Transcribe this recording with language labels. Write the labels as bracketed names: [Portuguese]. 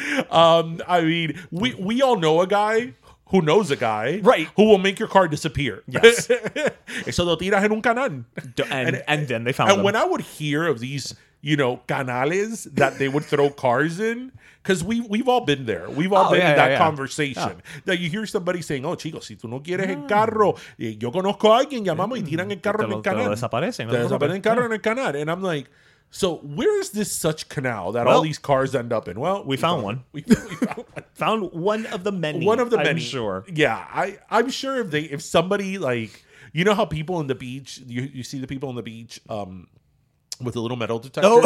[English] I mean, we all know a guy who knows a guy who will make your car disappear. Yes. [Spanish] Eso lo tiras en un canal. [English] And then they found it. And when I would hear of these... you know, canales that they would throw cars in. Because we've all been there. We've all been in that conversation. Yeah. That you hear somebody saying, oh, [Spanish] chicos, si tú no quieres el carro, yo conozco a alguien, llamamos y tiran el carro en el canal. Te desaparecen el carro en el canal. [English] And I'm like, so where is this such canal that all these cars end up in? Well, we found one. We found one. Found one of the many. One of the many. I'm sure. Yeah. I'm sure if somebody, like, you know how people on the beach, you see the people on the beach, with a little metal detector.